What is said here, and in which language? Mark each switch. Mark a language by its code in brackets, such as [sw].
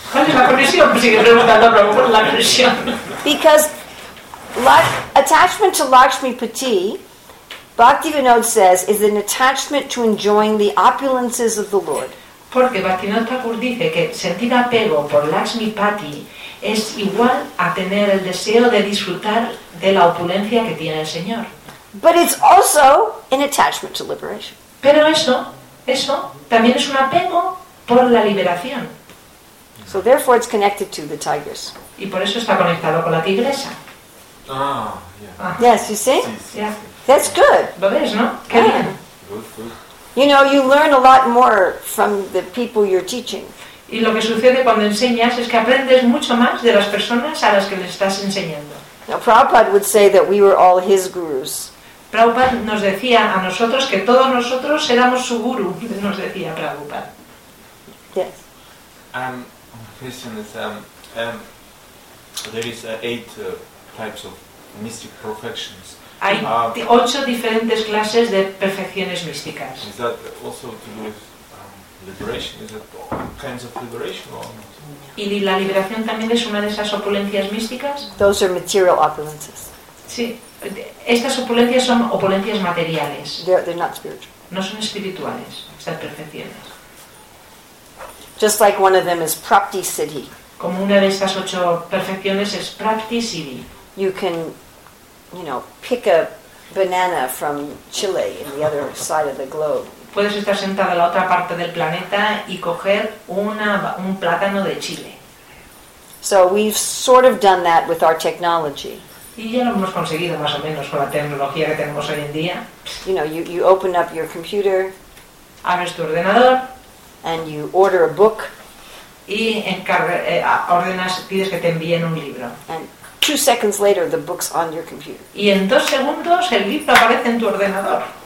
[es] ¿Cuál es la conexión? Sigue preguntando, pero ¿cuál es la conexión? [en] Because attachment to Lakshmipati, Bhaktivinoda says, is an attachment to enjoying the opulences of the Lord. [es] Porque Bhaktivinoda Thakur dice que sentir apego por Lakshmipati es igual a tener el deseo de disfrutar de la opulencia que tiene el Señor. [en] But it's also an attachment to liberation. [es] Pero eso también es un apego por la liberación. [en] So therefore it's connected to the tigress. [es] Y por eso está conectado con la tigresa. [en] Ah, yeah. Yes, you see? Yeah. That's good. [es] Lo ves, ¿no? Qué bien. [en] You know, you learn a lot more from the people you're teaching. [es] Y lo que sucede cuando enseñas es que aprendes mucho más de las personas a las que le estás enseñando. [en] Now, Prabhupada would say that we were all his gurus. [es] Prabhupada nos decía a nosotros que todos nosotros éramos su guru, nos decía Prabhupada. [en] Yes. My question is, there is eight types of mystic perfections. [es] Hay ocho diferentes clases de perfecciones místicas. [en] Is that also to do with liberation? Is it all kinds of liberation or not? [es] ¿Y la liberación también es una de esas opulencias místicas? [en] Those are material opulences. [es] Sí. Estas opulencias son opulencias materiales. [en] They're not spiritual. [es] No son espirituales, estas perfecciones. [en] Just like one of them is Prapti Siddhi. [es] Como una de estas ocho perfecciones es Prapti Siddhi. [en] You can, you know, pick a banana from Chile in the other side of the globe. [es] Puedes estar sentado en la otra parte del planeta y coger un plátano de Chile. [en] So we've sort of done that with our technology. [es] Y ya lo hemos conseguido más o menos con la tecnología que tenemos hoy en día. [en] You know, you open up your computer. [es] Abres tu ordenador. [en] And you order a book. [es] Y ordenas, pides que te envíen un libro. [en] And 2 seconds later, the book's on your computer. [es] Y en 2 segundos el libro aparece en tu ordenador.